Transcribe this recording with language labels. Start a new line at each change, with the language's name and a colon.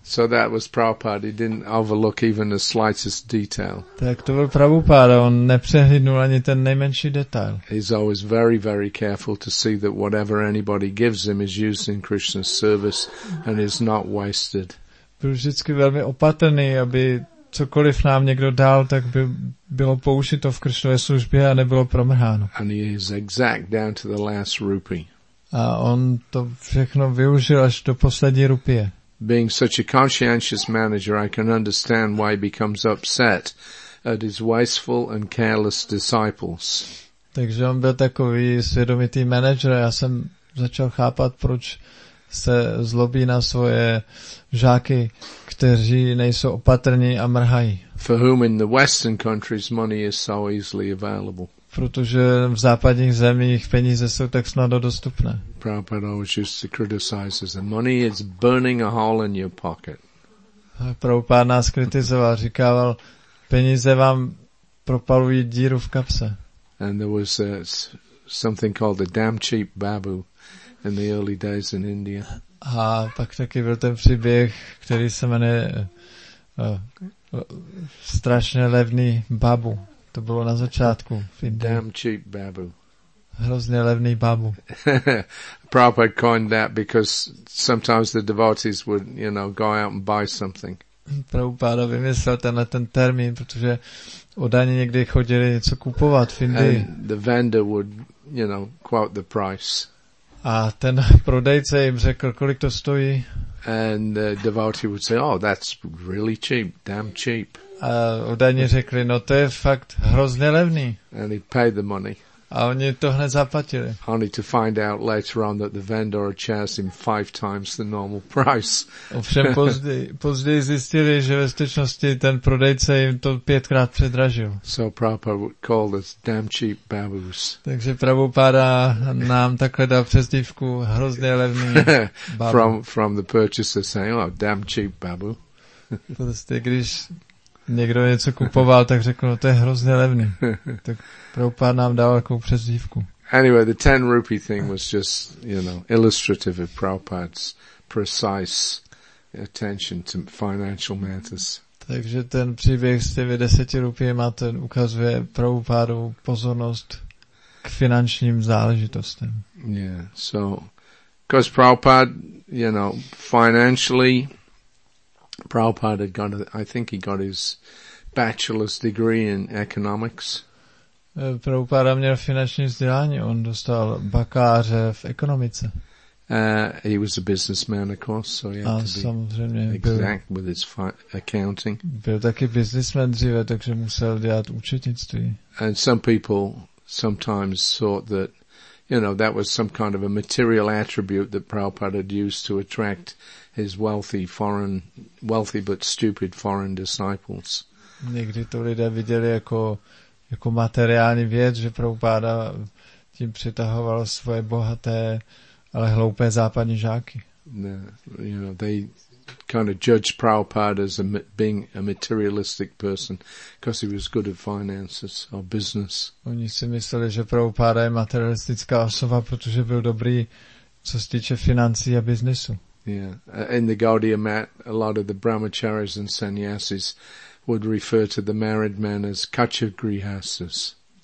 English: So that was Prabhupada. He didn't overlook even the slightest detail.
Czech: Tak to byl Prabhupada. On nepřehlídnul ani ten nejmenší detail.
English: He's always very, very careful to see that whatever anybody gives him is used in Krishna's service and is not wasted.
Czech: Byl vždycky velmi opatrný, aby cokoliv nám někdo dal, tak by bylo použito v Krishnově službě a nebylo promrháno.
English: And he is exact down to the last rupee.
Czech: A on to všechno využil až do poslední rupie.
English: Being such a conscientious manager, I can understand why he becomes upset at his wasteful and careless disciples.
Czech: Takže on byl takový svědomitý manager a já jsem začal chápat, proč se zlobí na svoje žáky, kteří nejsou opatrní a mrhají.
English: For whom in the Western countries money is so easily available.
Czech: Protože v západních zemích peníze jsou tak snadno dostupné.
English: Prabhupada always used to criticize us. Money is burning a hole in your pocket.
Czech: Prabhupada nás kritizoval, říkával, peníze vám propalují díru v kapse.
English: And there was something called the damn cheap Babu in the early days in India.
Czech: A pak taky byl ten příběh, který se jmenuje strašně levný Babu. To bylo na začátku.
English: Damn cheap Babu.
Czech: Hrozně levný Babu.
English: Prabhupada coined that because sometimes the devotees would, you know, go out and buy something.
Czech: Prabhupada vymyslel tenhle ten termín, protože oddaní někdy chodili něco kupovat v Indii.
English: And the vendor would, you know, quote the price.
Czech: A ten prodejce jim řekl, kolik to stojí.
English: And the devotee would say, oh, that's really cheap, damn cheap.
Czech: A údajně řekli, no to je fakt hrozně levný.
English: And he paid the money.
Czech: A oni to hned zaplatili.
English: Only to find out later on that the vendor charged him 5 times the normal price.
Czech: Ovšem později zjistili, že ve skutečnosti ten prodejce jim to 5x předražil.
English: So Prabhupada called us damn cheap babus.
Czech: Takže Prabhupada nám takhle dal přezdívku hrozně levný babu.
English: from the purchaser saying, oh, damn cheap babu.
Czech: Prostě když někdo něco kupoval, tak řekl, no to je hrozně levný. Tak Prabhupada nám dal takovou přezdívku.
English: Anyway, the 10 rupee thing was just, you know, illustrative of Prabhupada's precise attention to financial matters.
Czech: Takže ten příběh s těmi 10 rupiema, ten ukazuje Prabhupádu pozornost k finančním záležitostem.
English: Yeah, so, because Prabhupada, you know, financially, Prabhupada had got, I think he got his bachelor's degree in economics.
Czech: Prabhupada měl finanční vzdělání, on dostal bakáře v ekonomice.
English: He was a businessman, of course, so he had to be exact with his accounting.
Czech: Byl taky businessman dříve, takže musel dělat účetnictví.
English: And some people sometimes thought that, you know, that was some kind of a material attribute that Prabhupada had used to attract his wealthy but stupid foreign disciples.
Czech: Někdy to lidé viděli jako materiální věc, že Prabhupada tím přitahoval svoje bohaté, ale hloupé západní žáky.
English: No, you know, they kind of judged Prabhupada as being a materialistic person because he was good at finances or business.
Czech: Oni si mysleli, že Prabhupada je materialistická osoba, protože byl dobrý, co se týče financí a biznesu.
English: Yeah, in the Gaudiya Math, a lot of the brahmacharis and sannyasis would refer to the married men as kachagrihasas.